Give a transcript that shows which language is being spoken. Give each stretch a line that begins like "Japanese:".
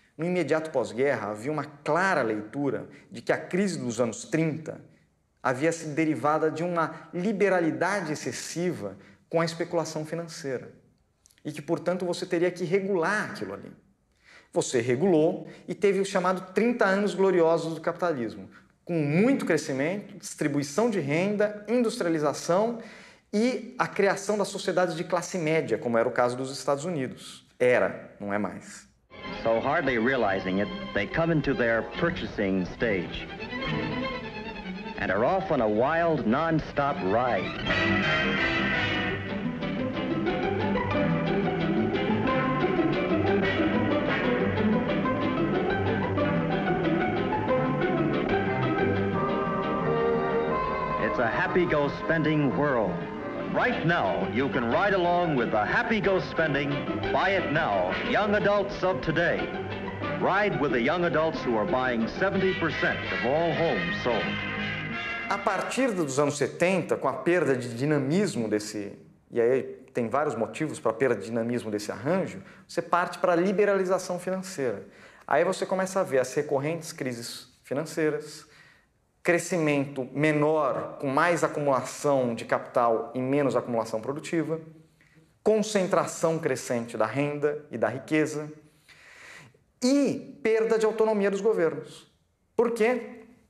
Portuguese: No imediato pós-guerra, havia uma clara leitura de que a crise dos anos 30 havia sido derivada de uma liberalidade excessiva com a especulação financeira e que, portanto, você teria que regular aquilo ali. Você regulou e teve o chamado 30 anos gloriosos do capitalismo, com muito crescimento, distribuição de renda, industrialização e a criação das sociedades de classe média, como era o caso dos Estados Unidos. Era, não é mais.
English: So hardly realizing it, they come into their purchasing stage and are off on a wild non-stop ride. It's a happy-go-spending world. Right now, you can ride along with the happy-go-spending, buy it now, young adults of today. Ride with the young adults who are buying 70% of all homes sold.
Portuguese: A partir dos anos 70, com a perda de dinamismo desse... E aí tem vários motivos para a perda de dinamismo desse arranjo, você parte para a liberalização financeira. Aí você começa a ver as recorrentes crises financeiras, crescimento menor com mais acumulação de capital e menos acumulação produtiva, concentração crescente da renda e da riqueza e perda de autonomia dos governos. Por quê?